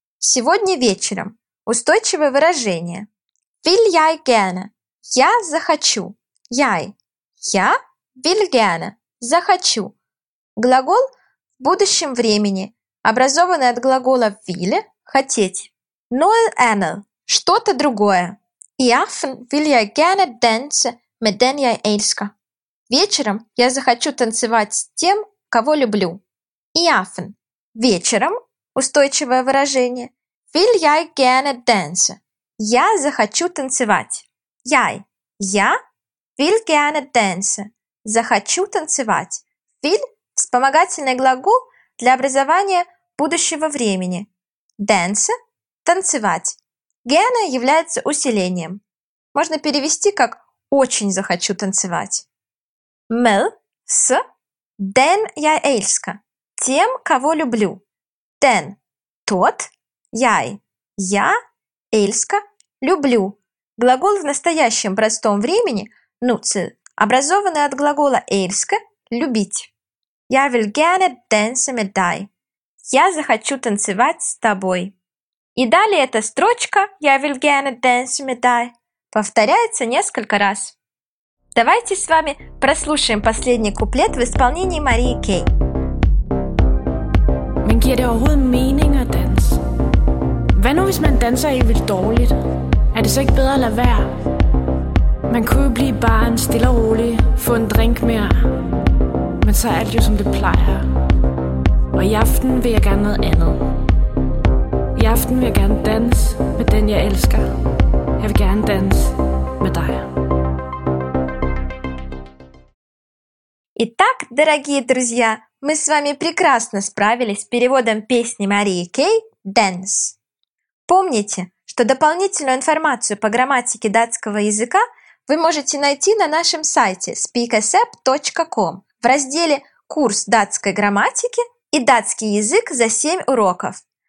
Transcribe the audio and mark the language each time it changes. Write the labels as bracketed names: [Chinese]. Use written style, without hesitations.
[Russian] Сегодня вечером. Устойчивое выражение. [Danish] Vil jeg gerne. [Russian] Я захочу. [Danish] Jeg. [Russian] Я [Danish] vil gerne. [Russian] Захочу. Глагол в будущем времени, образованный от глагола will, хотеть. [Danish] Noget andet. [Russian] Что-то другое. [Danish] И aften vil jeg gerne danse med den jeg elsker. [Russian] Вечером я захочу танцевать с тем, кого люблю. [Danish] И aften. [Russian] Вечером, устойчивое выражение, [Danish] vil jeg gerne danse. [Russian] Я захочу танцевать. [Danish] Jeg. [Russian] Я [Danish] vil gerne danse. [Russian] Захочу танцевать. Vil – вспомогательный глагол для образования будущего времени. Danse – танцевать. Gerne является усилением. Можно перевести как «очень захочу танцевать». Med – с, [Danish] den jeg elsker – [Russian] тем, кого люблю. [Danish] Den [Russian] – тот, [Danish] jeg [Russian] – я, elsker – люблю. Глагол в настоящем простом времени – nutid, образованный от глагола elsker – любить. [Danish] Jeg vil gerne danse med dig. [Russian] Я захочу танцевать с тобой. И далее эта строчка «Я [Danish] vil gerne danse med dig» [Russian] повторяется несколько раз. Давайте с вами прослушаем последний куплет в исполнении Марии Кей. [Danish] Men giver det overhovedet mening at danse? Hvad nu hvis man danser helt vildt dårligt? Er det så ikke bedre at lade være? Man kunne jo blive barn, stille og rolig, få en drink mere. Men så er alt jo som det plejer. Og i aften vil jeg gerne noget andet. I aften vil jeg gerne danse med den jeg elsker. Jeg vil gerne danse med dig. [Russian] Итак, дорогие друзья, мы с вами прекрасно справились с переводом песни Марии Кей «Dance». Помните, что дополнительную информацию по грамматике датского языка вы можете найти на нашем сайте speakasap.com в разделе «Курс датской грамматики» и «Датский язык за 7 уроков».